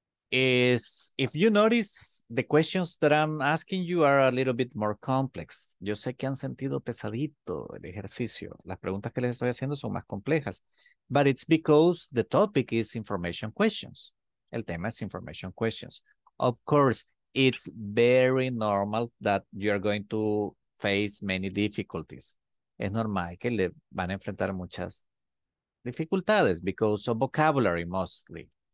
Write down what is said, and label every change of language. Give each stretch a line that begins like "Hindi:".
English: Is if you notice the questions that I'm asking you are a little bit more complex.
Spanish: Yo sé que han sentido pesadito el ejercicio. Las preguntas que les estoy haciendo son más complejas.
English: But it's because the topic is information questions.
Spanish: El tema es
English: information questions. Of course, it's very normal that you're going to face many difficulties.
Spanish: Es normal que le van a enfrentar muchas dificultades
English: because of vocabulary mostly.